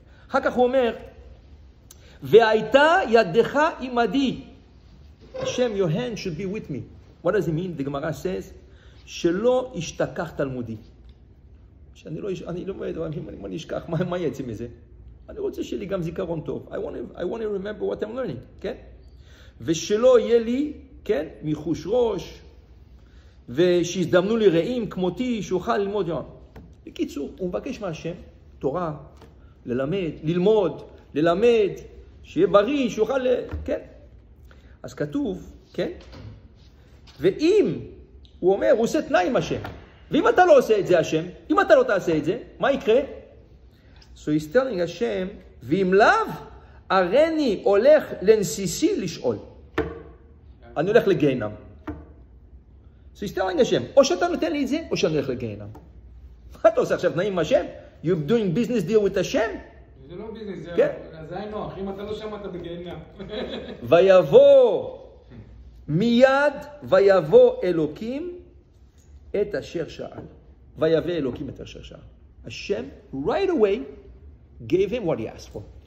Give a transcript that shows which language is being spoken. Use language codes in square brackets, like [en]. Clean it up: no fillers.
[he] אחר כך הוא אומר, והייתה ידך עמדי, [en] Hashem, your hand should be with me. What does it mean? The Gemara says, [he] שלא ישתכח תלמודי. שאני לא, אני לא יודע, אני לא ישכח, מה יצא מזה? אני רוצה שיהיה לי גם זיכרון טוב. [en] I want to remember what I'm learning, כן? [he] ושלא יהיה לי, כן, מחוש ראש, ושיזדמנו לי רעים כמותי, שאוכל ללמוד יום. בקיצור, הוא מבקש מהשם, תורה, ללמד, ללמוד, ללמד, שיהיה בריא, שאוכל, כן? אז כתוב, כן? ואם, הוא אומר, הוא עושה תנאי עם השם. ואם אתה לא עושה את זה, השם, אם אתה לא תעשה את זה, מה יקרה? [en] So he's telling [he] השם, ואם לאו, הרני הולך לנסיסי לשאול. אני הולך לגיהנם. [en] So he's telling [he] השם, או שאתה נותן לי את זה, או שאני הולך לגיהנם. מה אתה עושה עכשיו, תנאי עם השם? [en] You're doing business deal with השם? [he] זה לא ביזנס, זה היה נוח, אם אתה לא שמעת בגיהנם. ויבוא, מיד ויבוא אלוקים את אשר שאל. ויבוא אלוקים את אשר שאל. [en] השם, right away, gave him what he asked for.